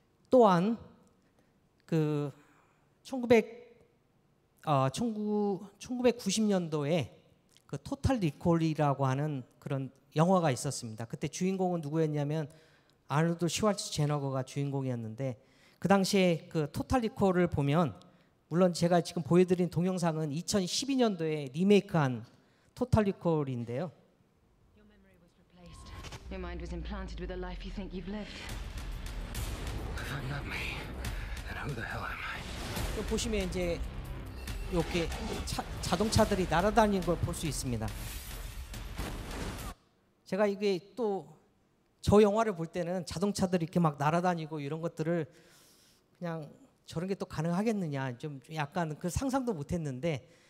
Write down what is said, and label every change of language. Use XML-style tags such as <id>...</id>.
<ko>또한 그 1990년도에 그 토탈 리콜이라고 하는 그런 영화가 있었습니다. 그때 주인공은 누구였냐면 아놀드 슈왈츠제네거가 주인공이었는데 그 당시에 그 토탈 리콜을 보면 물론 제가 지금 보여드린 동영상은 2012년도에 리메이크한 토탈 리콜인데요.</ko> <en>Your memory was replaced. Your mind was implanted with a life you think you've lived. If I'm not me, then who the hell am I?</en> <ko>보시면 이제 이렇게 자동차들이 날아다니는 걸 볼 수 있습니다. 제가 이게 또 저 영화를 볼 때는 자동차들이 이렇게 막 날아다니고 이런 것들을 그냥 저런 게 또 가능하겠느냐 좀 약간 그 상상도 못했는데</ko>